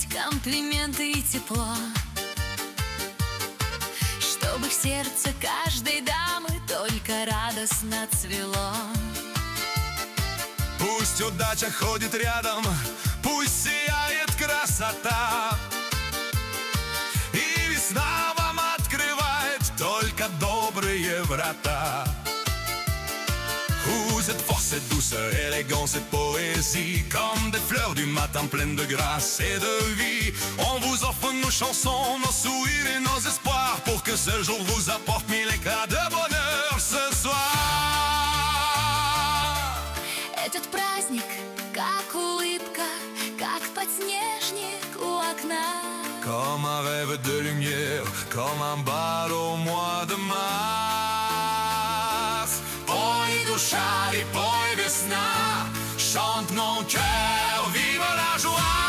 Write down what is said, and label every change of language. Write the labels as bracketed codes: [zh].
[ru] Комплименты и тепло, чтобы в сердце каждой дамы только радостно цвело. Пусть удача ходит рядом, пусть сияет красота, и весна вам открывает только добрые врата. [fr] Vous êtes force, douceur, élégance et poésie. Comme des fleurs du matin pleines de grâce et de vie. On vous offre nos chansons, nos sourires et nos espoirs. Pour que ce jour vous apporte mille éclats de bonheur ce soir. [ru] Этот праздник, как улыбка, как подснежник у окна. [fr] Comme un rêve de lumière, comme un bal au mois de mars. [ru] Пой, душа, и пой, весна, [fr] chante mon cœur, vive la joie.